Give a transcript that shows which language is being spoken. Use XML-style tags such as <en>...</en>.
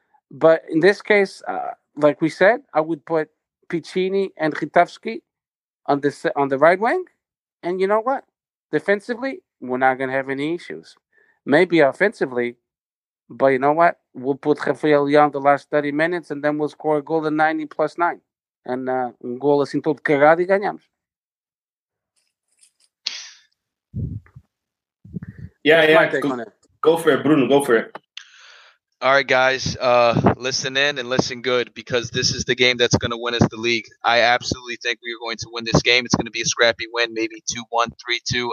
<en>But in this case, like we said, I would put Piccini and Hrytavský on the right wing. And you know what? Defensively, we're not going to have any issues. Maybe offensively, but you know what? We'll put Rafael Leão the last 30 minutes, and then we'll score a goal at 90 plus 9.</en> <pt>And um gol assim todo cagado e ganhamos.</pt> <en>Yeah, that's go for it, Bruno, go for it. All right, guys, listen in and listen good, because this is the game that's going to win us the league. I absolutely think we are going to win this game. It's going to be a scrappy win, maybe 2-1, 3-2.</en>